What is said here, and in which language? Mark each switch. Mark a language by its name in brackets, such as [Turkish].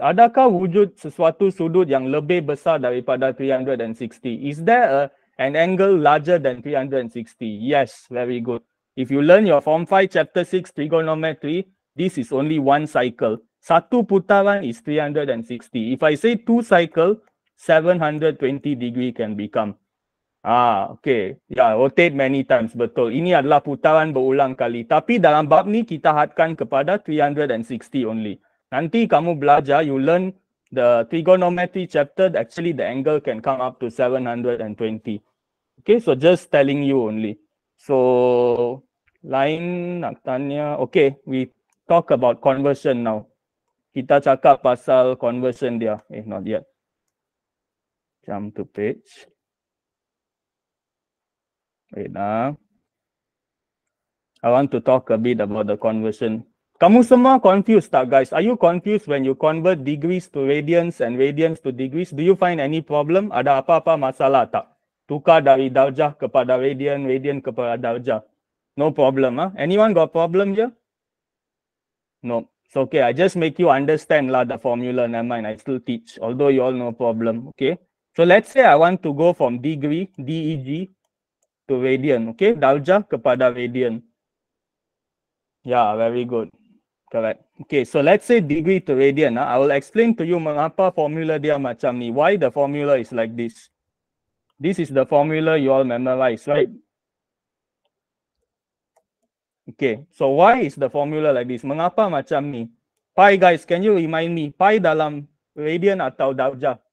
[Malay] Adakah wujud sesuatu sudut yang lebih besar daripada 360? [English] Is there an angle larger than 360? Yes, very good. If you learn your Form 5, Chapter 6, trigonometry, this is only one cycle. [Malay] Satu putaran [English] is 360. If I say two cycle, 720 degree can become. Okay. Yeah, rotate many times, betul. [Malay] Ini adalah putaran berulang kali. Tapi dalam bab ni, kita hadkan kepada 360 only. Nanti kamu belajar, [English] you learn the trigonometry chapter, actually the angle can come up to 720. Okay, so just telling you only. So, [Malay] lain nak tanya. [English] Okay, we talk about conversion now. [Malay] Kita cakap pasal conversion dia. [English] Not yet. Jump to page. Wait, I want to talk a bit about the conversion. [Malay] Kamu semua confused tak, guys? [English] Are you confused when you convert degrees to radians and radians to degrees? Do you find any problem? [Malay] Ada apa-apa masalah tak? Tukar dari darjah kepada radian, radian kepada darjah. [English] No problem, huh? Anyone got problem here? No. It's okay. I just make you understand lah the formula. Never mind. I still teach. Although you all know problem. Okay. So let's say I want to go from degree, DEG, to radian, okay? [Malay] Darjah kepada radian. [English] Yeah, very good. Correct. Okay, so let's say degree to radian. I will explain to you [Malay] mengapa formula dia macam ni. [English] Why the formula is like this. This is the formula you all memorize, right? Okay, so why is the formula like this? [Malay] Mengapa macam ni? [English] Pi, guys, can you remind me? [Malay] Pi dalam radian atau darjah?